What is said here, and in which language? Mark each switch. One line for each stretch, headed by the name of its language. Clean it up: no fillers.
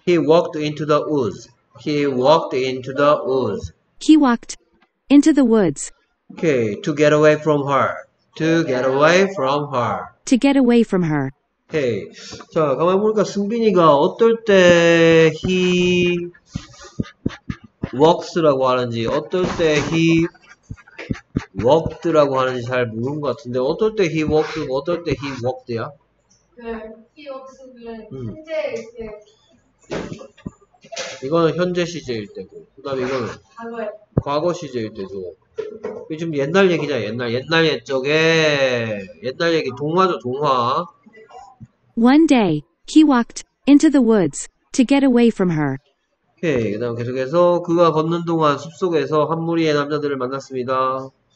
English: He walked into the woods. He walked into the woods. He walked into the woods. Okay, to get away from her. To get away from her. To get away from her. Okay.
Korean: 자, 가만히 보니까 승빈이가 어떨 때 he walks 라고 하는지, 어떨 때 he walked 라고 하는지 잘 모르는 것 같은데, 어떨 때 he walked, 어떨 때 he walked야? 네, he walks 는 현재일 때. 이거는 현재 시제일 때고, 그 다음에 이거는 과거 시제일 때죠. 이게 지금 옛날 얘기냐, 옛날. 옛날 옛적에, 옛날 얘기, 동화죠, 동화.
English: One day, he walked into the woods to get away from her.
Korean: 오케이, 그 다음 계속해서 그가 걷는 동안 숲속에서 한 무리의 남자들을 만났습니다.